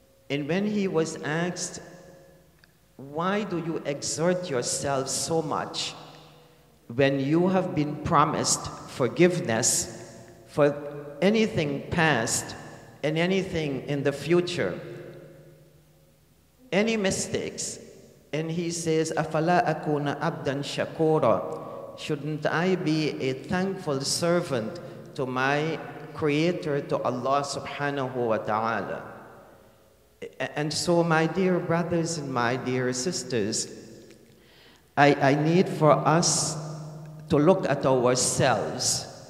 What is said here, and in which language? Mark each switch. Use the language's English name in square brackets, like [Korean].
[English] And when he was asked, why do you exert yourself so much when you have been promised forgiveness for anything past and anything in the future, any mistakes? And he says, [Arabic] أَفَلَا أَكُونَ أَبْدًا شَكُورًا. [English] Shouldn't I be a thankful servant to my Creator, to Allah subhanahu wa ta'ala? And so, my dear brothers and my dear sisters, I need for us to look at ourselves.